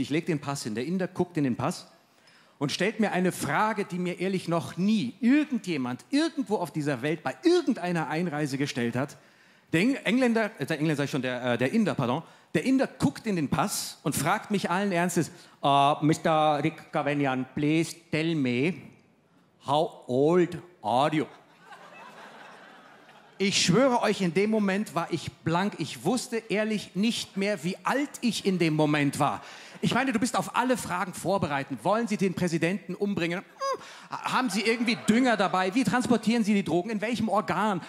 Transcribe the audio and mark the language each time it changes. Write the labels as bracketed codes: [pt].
[de] Ich lege den Pass hin, der Inder guckt in den Pass und stellt mir eine Frage, die mir ehrlich noch nie irgendjemand irgendwo auf dieser Welt bei irgendeiner Einreise gestellt hat. Der Inder guckt in den Pass und fragt mich allen Ernstes, Mr. [en] Rick Cavagnan, please tell me, how old are you? [de] Ich schwöre euch, in dem Moment war ich blank. Ich wusste ehrlich nicht mehr, wie alt ich in dem Moment war. Ich meine, du bist auf alle Fragen vorbereitet. Wollen Sie den Präsidenten umbringen? Haben Sie irgendwie Dünger dabei? Wie transportieren Sie die Drogen? In welchem Organ?